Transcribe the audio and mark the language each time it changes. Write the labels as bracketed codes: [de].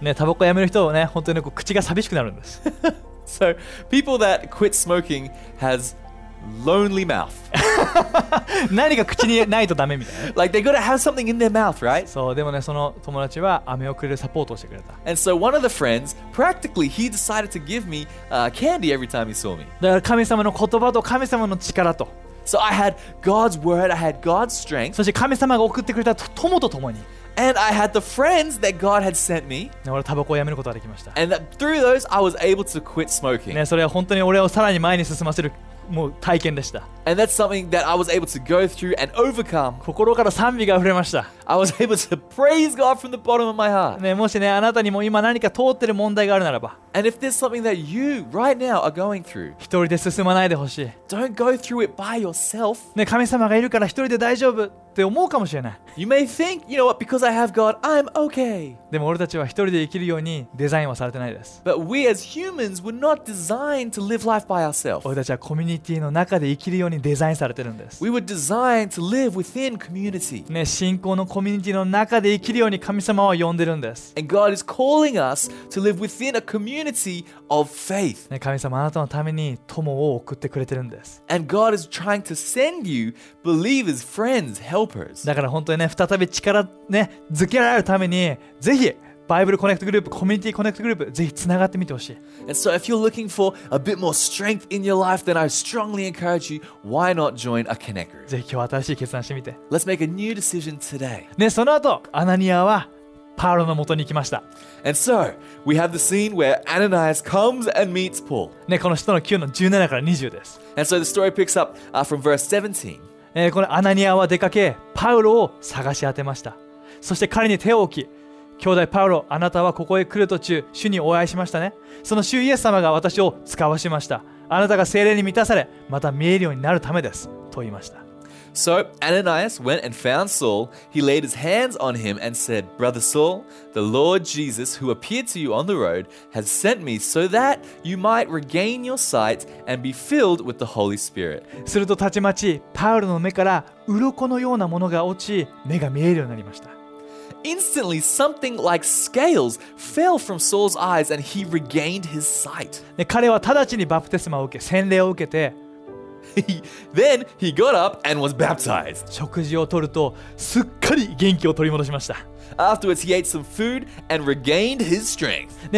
[ja] ね、タバコやめる人はね、本当にこう口が寂しくなるんです。 [en] So, people that quit smoking has lonely mouth. [ja] 何か口にないとダメみたいな。 [en] Like, they gotta have something in their mouth, right? [ja] そう、でもね、その友達は飴をくれるサポートをしてくれた。 [en] And so, one of the friends, practically, he decided to give me candy every time he saw me. [ja] だから神様の言葉と神様の力と。 [en] So I had God's word, I had God's strength. [ja] そして神様が送ってくれた友と共に。 [en] And I had the friends that God had sent me. [ja] 俺はタバコをやめることができました。 [en] And through those, I was able to quit smoking. [ja] ね、それは本当に俺をさらに前に進ませるもう体験でした。 [en] And that's something that I was able to go through and overcome. [ja] 心から賛美が溢れました。 [en] I was able to praise God from the bottom of my heart. [ja] ね、もしね、あなたにも今何か通ってる問題があるならば。 [en] And if there's something that you right now are going through. [ja] 一人で進まないでほしい。 [en] Don't go through it by yourself. [ja] ね、神様がいるから一人で大丈夫。って思うかもしれない。 [en] You may think, you know what, because I have God, I'm okay. [ja] でも俺たちは一人で生きるようにデザインはされてないです。 [en] But we as humans were not designed to live life by ourselves. [ja] 俺たちはコミュニティの中で生きるようにデザインされてるんです。 [en] We were designed to live within community. [ja] ね、信仰のコミュニティの中で生きるように神様は呼んでるんです。 [en] And God is calling us to live within a community of faith. [ja] ね、神様はあなたのために友を送ってくれてるんです。 [en] And God is trying to send you believers, friends, helpers. [ja] だから本当にね、再び力ね、づけられるためにぜひバイブルコネクトグループ、コミュニティコネクトグループ、ぜひつながってみてほしい。 [en] And so if you're looking for a bit more strength in your life, then I strongly encourage you, why not join a connect group? [ja] ぜひ今日新しい決断してみて。 [en] Let's make a new decision today. [ja] ね、その後、アナニアはパウロの元に行きました。 [en] And so, we have the scene where Ananias comes and meets Paul. [ja] ね、この人の9の17から20です。 [en] And so the story picks up from verse 17. [ja] ね、このアナニアは出かけ、パウロを探し当てました。そして彼に手を置き、兄弟パウロ、あなたはここへ来る途中、主にお会いしましたね。その主イエス様が私を使わしました。あなたが聖霊に満たされ、また見えるようになるためです。と言いました。 [en] So Ananias went and found Saul. He laid his hands on him and said, Brother Saul, the Lord Jesus who appeared to you on the road has sent me so that you might regain your sight and be filled with the Holy Spirit. [ja] するとたちまち、パウロの目から鱗のようなものが落ち、目が見えるようになりました。 [en] Instantly, something like scales fell from Saul's eyes and he regained his sight. Then he got up and was baptized. Afterwards, he ate some food and regained his strength.